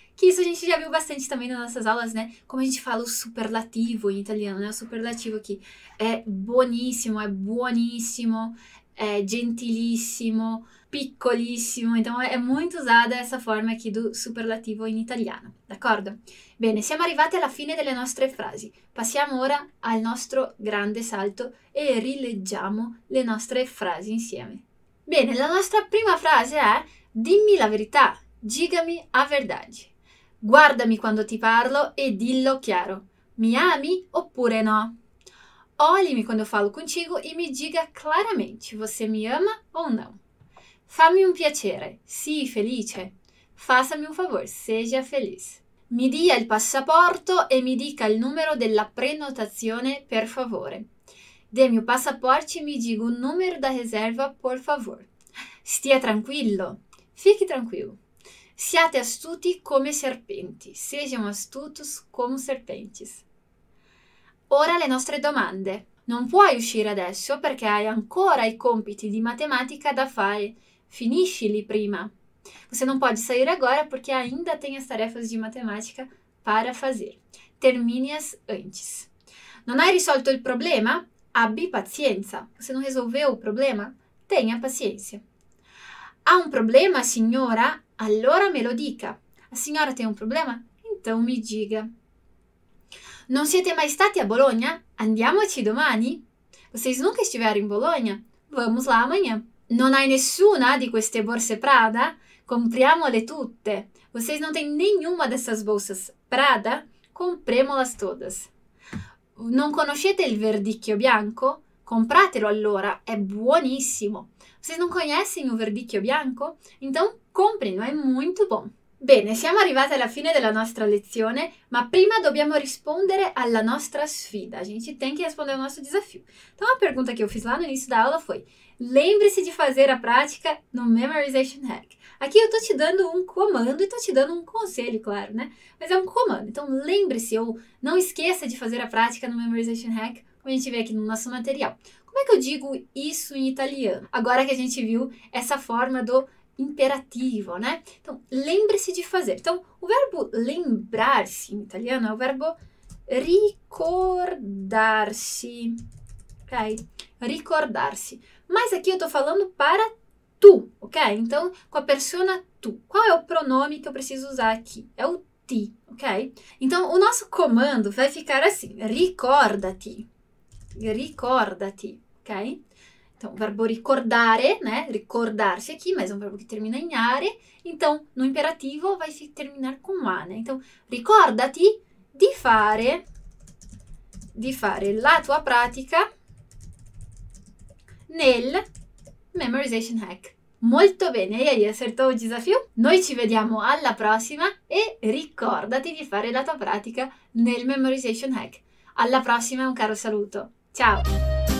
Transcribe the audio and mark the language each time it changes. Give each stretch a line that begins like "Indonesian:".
Portuguese: Que isso a gente já viu bastante também nas nossas aulas, né? Como a gente fala o superlativo em italiano, né? O superlativo aqui é buoníssimo, é buonissimo. É gentilissimo, piccolissimo, então é muito usada essa forma aqui do superlativo
Italian: in italiano, d'accordo? Bene, siamo arrivati alla fine delle nostre frasi. Passiamo ora al nostro grande salto e rileggiamo le nostre frasi insieme. Bene, la nostra prima frase è: dimmi la verità,
Portuguese: digami a verdade.
Italian: Guardami quando ti parlo e dillo chiaro: mi ami oppure no?
Portuguese: Olhe-me quando eu falo contigo e me diga claramente, você me ama ou não?
Italian: Fammi un piacere, sii felice.
Portuguese: Faça-me um favor, seja feliz.
Italian: Mi dia il passaporto e mi dica il numero della prenotazione, per favore.
Portuguese: Dê-me o passaporte e mi diga o número da reserva, por favor.
Italian: Stia tranquillo,
Portuguese: fique tranquilo.
Italian: Siate astuti come serpenti,
Portuguese: sejam astutos como serpentes.
Italian: Ora le nostre domande. Non puoi uscire adesso perché hai ancora i compiti di matematica da fare. Finiscili prima.
Portuguese: Você não pode sair agora porque ainda tem as tarefas de matemática para fazer. Termine-as antes.
Italian: Non hai risolto il problema? Abbi pazienza.
Portuguese: Você não resolveu o problema? Tenha paciência.
Italian: Ha un problema, signora? Allora me lo dica.
Portuguese: A signora tem um problema? Então me diga.
Italian: Non siete mai stati a Bologna? Andiamoci domani.
Portuguese: Vocês nunca estiveram em Bologna? Vamos lá amanhã.
Italian: Non hai nessuna di queste borse Prada? Compriamole tutte.
Portuguese: Vocês não têm nenhuma dessas bolsas Prada? Compremolas todas.
Italian: Non conoscete il verdicchio bianco? Compratelo allora, è buonissimo.
Portuguese: Vocês não conhecem o verdicchio bianco?
Italian: Então comprino, è molto buono. Bene, siamo arrivati alla fine della nostra lezione, ma prima dobbiamo rispondere alla nostra sfida.
Portuguese: A gente tem que responder ao nosso desafio. Então, a pergunta que eu fiz lá no início da aula foi: lembre-se de fazer a prática no Memorization Hack. Aqui eu tô te dando um comando e tô te dando um conselho, claro, né? Mas é um comando. Então, lembre-se ou não esqueça de fazer a prática no Memorization Hack, como a gente vê aqui no nosso material. Como é que eu digo isso em italiano? Agora que a gente viu essa forma do imperativo, né? Então, lembre-se de fazer. Então, o verbo lembrar-se em italiano é o verbo ricordarsi, ok? Ricordarsi. Mas aqui eu tô falando para tu, ok? Então, com a persona tu. Qual é o pronome que eu preciso usar aqui? É o ti, ok? Então, o nosso comando vai ficar assim: ricorda-ti. Ricorda-ti, ok? Então, o verbo ricordare, né? Ricordarsi aqui, mas é um verbo que termina em are. Então, no imperativo, vai se terminar com a, né?
Italian: Então, ricordati di fare la tua pratica nel Memorization Hack. Molto bene, hai accettato il desafio. Noi ci vediamo alla prossima e ricordati di fare la tua pratica nel Memorization Hack. Alla prossima, un caro saluto. Ciao!